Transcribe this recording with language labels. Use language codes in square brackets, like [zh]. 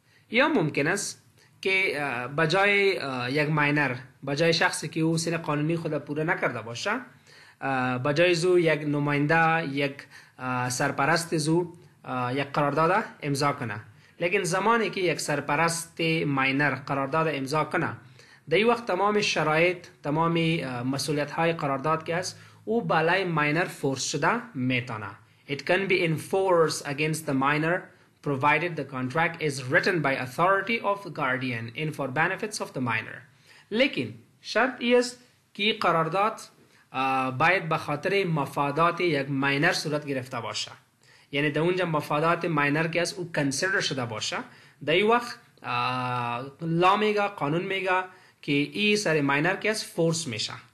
[fa] یا ممکن است که بجای یک ماینر، بجای شخصی که او سن قانونی خود پوره نکرده باشه، بجای زو یک نماینده، یک سرپرست زو یک قرارداد امضا کنه. لیکن زمانی که یک سرپرست ماینر قرارداد امضا کنه، در این وقت تمام شرایط، تمام مسئولیت های قرارداد که است او بالای ماینر فورس شده میتانه. [en] It can be enforced against the minor provided the contract is written by authority of guardian in for benefits of the minor. [fa] لیکن شرط ای است که قرارداد باید بخاطر مفادات یک ماینر صورت گرفته باشه. یعنی در اونجا مفادات ماینر که است او کنسیدر شده باشه. در این وقت لا میگه، قانون میگه که ای سر ماینر که است فورس میشه.